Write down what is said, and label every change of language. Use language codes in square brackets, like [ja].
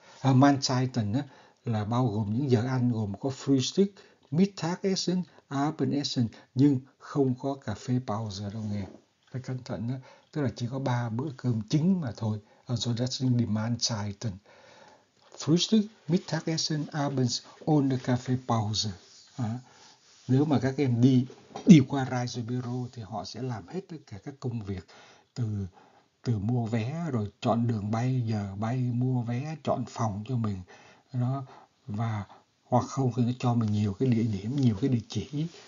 [vi] Mahlzeiten là bao gồm những giờ ăn gồm có Frühstück, Mittagessen, Abendessen, nhưng không có cà phê Pause đâu nghe. Phải cẩn thận đó. Tức là chỉ có 3 bữa cơm chính mà thôi. [de] Also das sind die Mahlzeiten. Frühstück, Mittagessen, Abends ohne Café Pause. [vi] Nếu mà các em đi qua Reisebüro thì họ sẽ làm hết tất cả các công việc từ mua vé rồi chọn đường bay, giờ bay, mua vé, chọn phòng cho mình. Đó. Và hoặc không thì nó cho mình nhiều cái địa điểm, nhiều cái địa chỉ